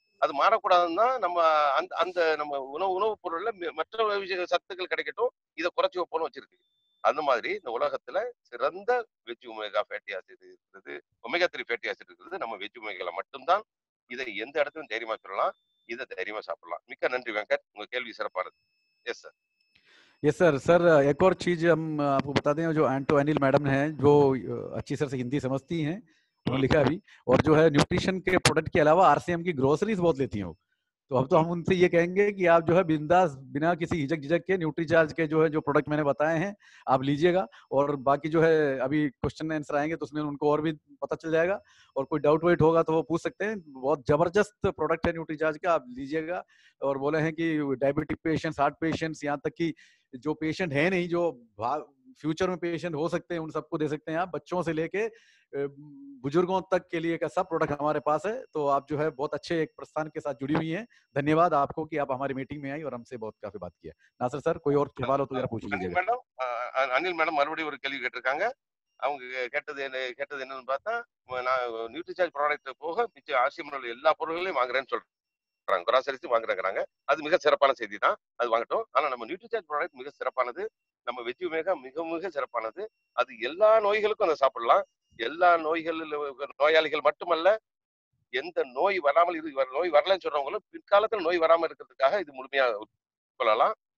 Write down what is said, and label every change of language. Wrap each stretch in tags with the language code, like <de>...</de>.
<ta>அது மாறக்கூடாதுன்னா நம்ம அந்த அந்த நம்ம உணவு பொருள்ல மற்ற சத்துக்கள் கிடைக்கட்டும், இதை குறைச்சி வைப்போம் வச்சிருக்கு. அந்த மாதிரி இந்த உலகத்துல சிறந்த வெஜ் ஒமேகா ஃபேட்டி ஆசிட் இருக்கிறது, ஒமேகா 3 ஃபேட்டி ஆசிட் இருக்கிறது நம்ம வெஜ் ஒமேகால மட்டும்தான். இதை எந்த இடத்துலயும் தைரியமா சொல்லலாம், இதை தைரியமா சாப்பிடலாம். மிக்க நன்றி வெங்கட், உங்க கேள்வி சிறப்பானது.</ta> <en>Yes sir. Yes sir.</en> <hi>Sir एक और चीज हम आपको बता दें, जो एंटो एनिल मैडम है जो अच्छी सर से हिंदी समझती है लिखा भी, और जो है न्यूट्रिशन के प्रोडक्ट के अलावा आरसीएम की ग्रोसरीज बहुत लेती हैं, तो अब तो हम उनसे ये कहेंगे कि आप जो है बिंदास बिना किसी हिचक झिझक के न्यूट्रीचार्ज के जो है जो प्रोडक्ट मैंने बताए हैं आप लीजिएगा, और बाकी जो है अभी क्वेश्चन आंसर आएंगे तो उसमें उनको और भी पता चल जाएगा, और कोई डाउट वाइट होगा तो वो पूछ सकते हैं। बहुत जबरदस्त प्रोडक्ट है न्यूट्रीचार्ज का, आप लीजिएगा। और बोले हैं कि डायबिटिक पेशेंट्स, हार्ट पेशेंट्स, यहाँ तक कि जो पेशेंट है नहीं, जो फ्यूचर में पेशेंट हो सकते हैं, उन सबको दे सकते हैं आप, बच्चों से लेके बुजुर्गों तक के लिए का सब प्रोडक्ट हमारे पास है। तो आप जो है बहुत अच्छे एक प्रस्थान के साथ जुड़ी हुई हैं, धन्यवाद आपको कि आप हमारी मीटिंग में आई और हमसे बहुत काफी बात किया। नासर सर, कोई और सवाल हो तो जरा पूछ लीजिए।</hi> <ta>अनिल मैडम மறுபடியும் ஒரு கேள்வி கேட்டிருக்காங்க, அவங்க கேட்டது என்ன கேட்டதுன்னு பார்த்தா, நான் நியூட்ரிசார்ஜ் ப்ராடக்ட் போக மிச்சம் ஆசியமுள்ள எல்லா பொருட்களையும் வாங்குறேன்னு சொல்றாங்க, கிராசரிஸ் வாங்குறாங்க, அது மிக சிறப்பான செய்தி தான், அது வாங்கட்டும். ஆனா நம்ம நியூட்ரிசார்ஜ் ப்ராடக்ட் மிக சிறப்பானது, நம்ம வெஜி ஒமேகா மிக மிக சிறப்பானது, அது எல்லா நோய்களுக்கும் அதை சாப்பிடலாம், எல்லா நோய்கள் நோயாளிகள் மட்டுமல்ல எந்த நோய் வராமல் இது நோய் வரலன்னு சொல்றவங்களும் பிற்காலத்தில் நோய் வராமல் இருக்கிறதுக்காக இது முழுமையாக உட்கொள்ளலாம்.</ta>